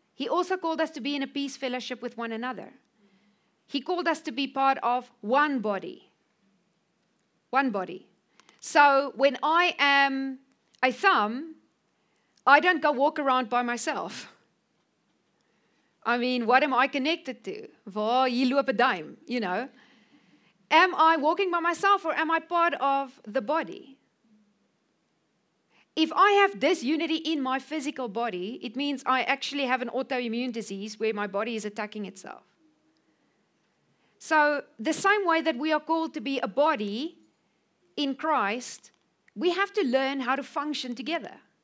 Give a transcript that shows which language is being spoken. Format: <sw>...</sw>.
<en>He also called us to be in a peace fellowship with one another. He called us to be part of one body. One body. So when I am a thumb, I don't go walk around by myself. I mean, what am I connected to?</en> <af>Waar hier loop 'n duim,</af> <en>you know? Am I walking by myself or am I part of the body? If I have disunity in my physical body, it means I actually have an autoimmune disease where my body is attacking itself. So the same way that we are called to be a body in Christ, we have to learn how to function together.</en>